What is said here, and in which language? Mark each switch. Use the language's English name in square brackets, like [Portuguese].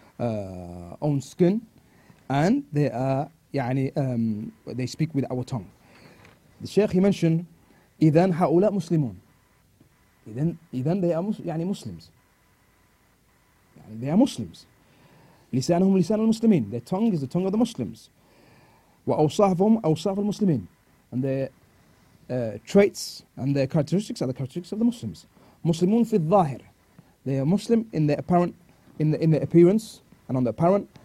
[English] own skin, and they are, يعني, they speak with our tongue. The Sheikh, he mentioned, [Arabic] إذن هؤلاء مسلمون. [English] إذن they are يعني Muslims. يعني they are Muslims. [Arabic] لسانهم لسان المسلمين. [English] Their tongue is the tongue of the Muslims. [Arabic] وأوصافهم أوصاف المسلمين. [English] And their traits and their characteristics are the characteristics of the Muslims. [Arabic] مسلمون في الظاهر. [English] They are Muslim in the apparent, in the appearance and on the apparent.